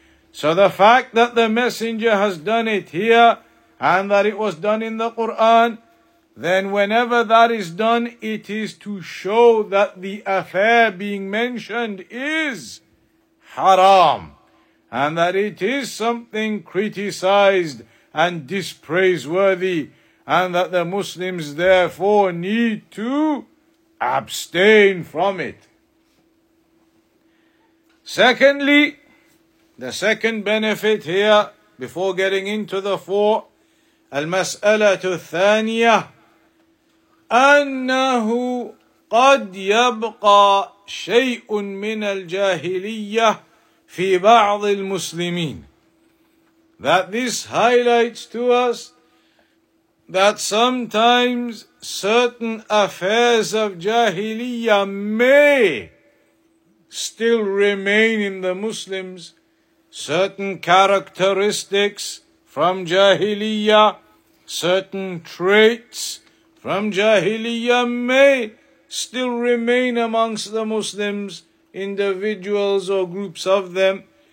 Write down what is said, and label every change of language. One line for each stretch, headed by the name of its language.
English: So the fact that the messenger has done it here, and that it was done in the Quran, then whenever that is done, it is to show that the affair being mentioned is haram, and that it is something criticized and dispraiseworthy, and that the Muslims therefore need to abstain from it. Secondly, the second benefit here, before getting into the four,
Arabic: المسألة الثانية, أنه قد يبقى شيء من الجاهلية في بعض المسلمين.
English: That this highlights to us that sometimes certain affairs of Jahiliyya may still remain in the Muslims, certain characteristics from Jahiliyya, certain traits from Jahiliyyah may still remain amongst the Muslims, individuals or groups of them.